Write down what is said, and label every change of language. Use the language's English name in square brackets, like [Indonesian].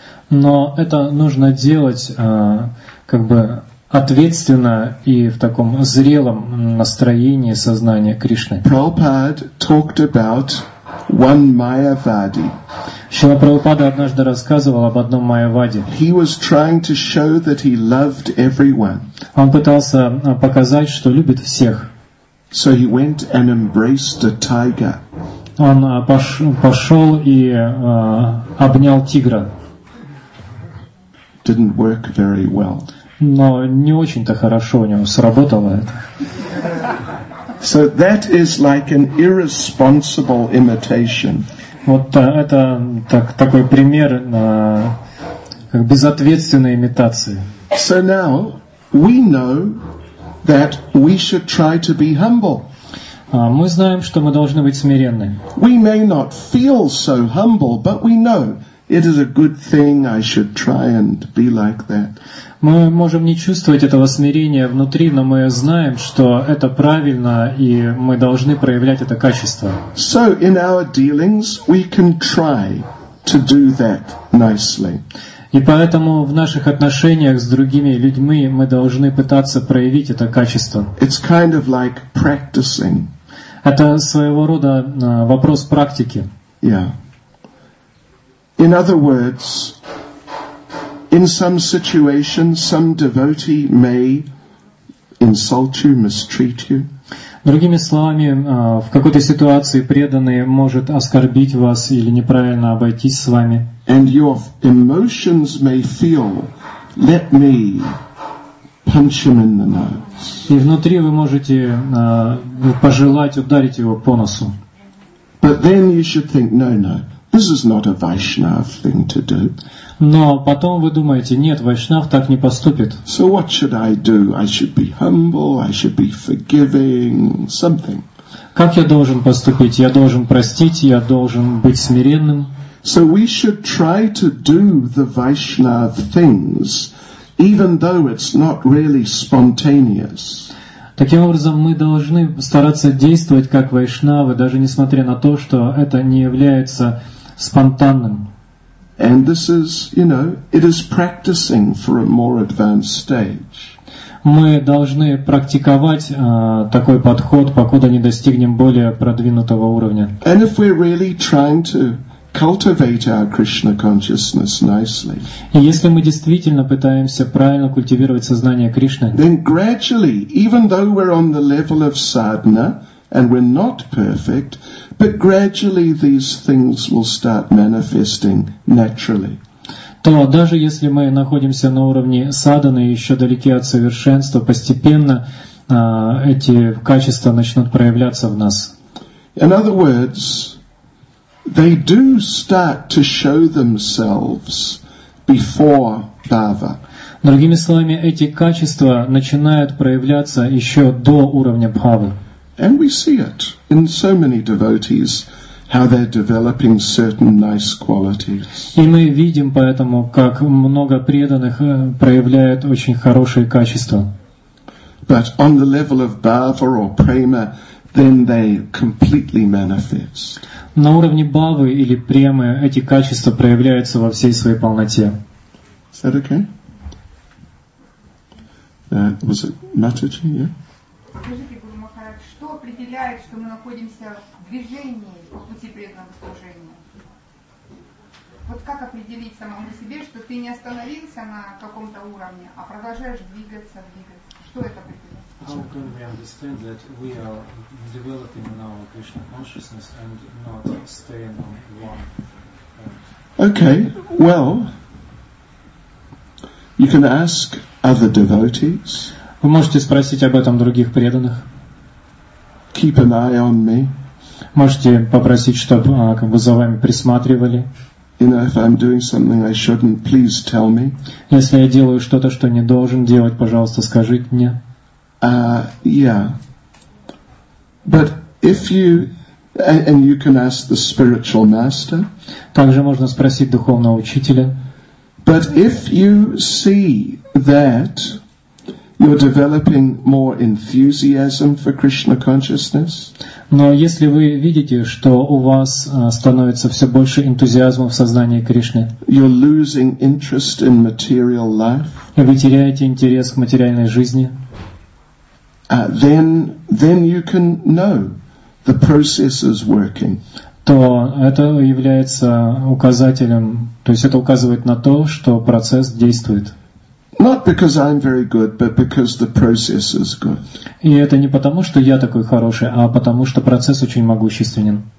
[Russian] Но это нужно делать, как бы, ответственно и в таком зрелом настроении сознания Кришны. [English] Prabhupada talked about one Mayavadi. [Russian] Шрила Прабхупада однажды рассказывал об одном Майаваде. [English] He was trying to show that he loved everyone. [Russian] Он пытался показать, что любит всех. [English] So he went and embraced a tiger. [Russian] Он пошел и обнял тигра. [English] Didn't work very well. [Russian] Но не очень-то хорошо у него сработало это. [English] So that is like an irresponsible imitation. [Russian] Вот это такой пример как безответственной имитации. [English] So now we know that we should try to be humble. [Russian] Мы знаем, что мы должны быть смиренны. [English] We may not feel so humble, but we know it is a good thing, I should try and be like that. [Russian] Мы можем не чувствовать этого смирения внутри, но мы знаем, что это правильно, и мы должны проявлять это качество. [English] So in our dealings we can try to do that nicely. [Russian] И поэтому в наших отношениях с другими людьми мы должны пытаться проявить это качество. [English] It's kind of like practicing. [Russian] Это своего рода вопрос практики. [English] Yeah. In other words, in some situations, some devotee may insult you, mistreat you. [Russian] Другими словами, в какой-то ситуации преданный может оскорбить вас или неправильно обойтись с вами. [English] And your emotions may feel, let me punch him in the nose. [Russian] И внутри вы можете пожелать ударить его по носу. [English] But then you should think, no, no. This is not a Vaishnav thing to do. [Russian] Но потом вы думаете, нет, Вайшнав так не поступит. [English] So what should I do? I should be humble, I should be forgiving, something. [Russian] Как я должен поступить? Я должен простить, я должен быть смиренным. [English] So we should try to do the Vaishnav things, even though it's not really spontaneous. [Russian] Таким образом, мы должны стараться действовать как Вайшнавы, даже несмотря на то, что это не является спонтанным. [English] And this is, you know, it is practicing for a more advanced stage. [Russian] Мы должны практиковать такой подход, покуда не достигнем более продвинутого уровня. [English] And if we're really trying to cultivate our Krishna consciousness nicely. [Russian] И если мы действительно пытаемся правильно культивировать сознание Кришны, [English] then gradually, even though we're on the level of sadhana and we're not perfect, but gradually these things will start manifesting naturally. [Russian] То даже если мы находимся на уровне садханы, еще далеки от совершенства, постепенно эти качества начнут проявляться в нас. [English] In other words, they do start to show themselves before bhava. [Russian] Другими словами, эти качества начинают проявляться еще до уровня бхавы. [English] And we see it in so many devotees, how they're developing certain nice qualities. [Russian] И мы видим поэтому, как много преданных проявляют очень хорошие качества. [English] But on the level of bhava or prema, then they completely manifest. [Russian] На уровне бхавы или премы эти качества проявляются во всей своей полноте. [English] Is that okay? Was it Mataji, yeah? [Russian] Скажите, Гуру Махарадж, что определяет, что мы находимся в движении по пути преданного служения? Вот как определить самому себе, что ты не остановился на каком-то уровне, а продолжаешь двигаться, Что это определяет? [English] How can we understand that we are developing in our Krishna consciousness and not staying on one? Okay, well, you can ask other devotees. [Russian] Вы можете спросить об этом других преданных. [English] Keep an eye on me. [Russian] Можете попросить, чтобы как бы за вами присматривали. [English] You know, if I'm doing something I shouldn't, please tell me. [Russian] Если я делаю что-то, что не должен делать, пожалуйста, скажите мне. [English] Yeah. But if you and you can ask the spiritual master. [Russian] Также можно спросить духовного учителя. [English] But if you see that you're developing more enthusiasm for Krishna consciousness. [Russian] Но если вы видите, что у вас становится все больше энтузиазма в сознании Кришны. [English] You're losing interest in material life. [Russian] И вы теряете интерес к материальной жизни. [English] Then you can know the process is working. [Russian] То это является указателем, то есть это указывает на то, что процесс действует. [English] Not because I'm very good, but because the process is good. [Russian] И это не потому, что я такой хороший, а потому, что процесс очень могущественен.